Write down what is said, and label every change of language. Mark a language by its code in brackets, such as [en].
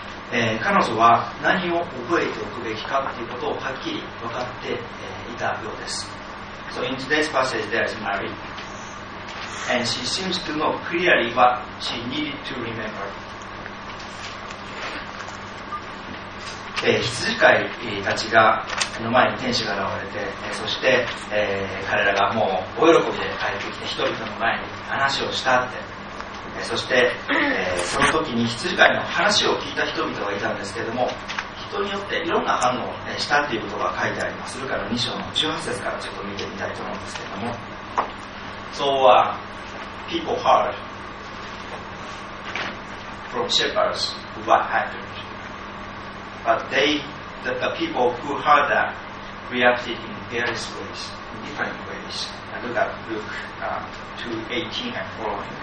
[ja] 彼女は何を覚えておくべきかということをはっきり分かって、いたようです。 [en] So in today's passage there is Mary. And she seems to know clearly what she needed to remember. [ja] 羊飼いたちが、の前に天使が現れて、そして、彼らがもうお喜びで帰ってきて人々の前に話をしたって。そして、その時に羊飼いの話を聞いた人々がいたんですけれども人によっていろんな反応をしたということが書いてありますそれから2章の18節からちょっと見てみたいと思うんですけれども [en] So people heard from shepherds what happened but the people who heard that reacted in various ways in different ways and look at Luke 2:18 and following